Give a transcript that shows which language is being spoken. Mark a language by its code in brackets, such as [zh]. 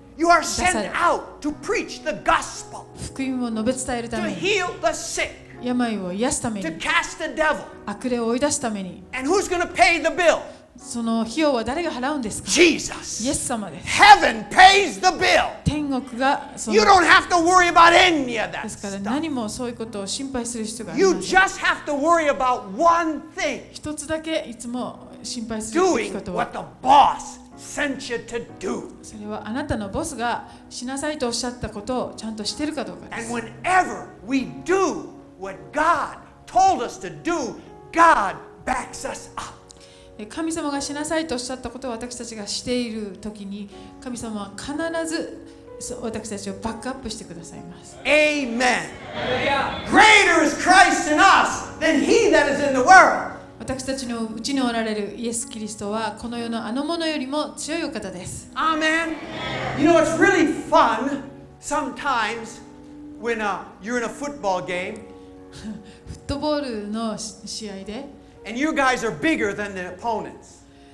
[en] You are sent out to preach the gospel. [ja] 福音を述べ伝えるために。 [en] To heal the sick. [ja] 病を癒すために。 [en] To cast the devil. [ja] 悪霊を追い出すために。 [en] And who's going to pay the bill? [ja] その費用は誰が払うんですか? [en] Jesus. [ja] イエス様です。 [en] Heaven pays the bill. [ja] 天国がその。 [en] You don't have to worry about any of that. [ja] ですから何もそういうことを心配する必要がない。 [en] You just have to worry about one thing. [ja] 一つだけいつも心配するべきことは。 [en] Doing what the boss. Sent you to do. [ja] それはあなたのボスがしなさいとおっしゃったことをちゃんとしてるかどうかです。 [en] And whenever we do what God told us to do, God backs us up. [ja] 神様がしなさいとおっしゃったことを私たちがしているときに、神様は必ず私たちをバックアップしてくださいます。 [en] Amen. Greater is Christ in us than he that is in the world. [ja] 私たちのうちにおられるイエス・キリストはこの世のあのものよりも強いお方です。アーメン。 [en] You know, it's really fun sometimes when you're in a football game. [ja] フットボールの試合で。 [en] And you guys are bigger than the opponents.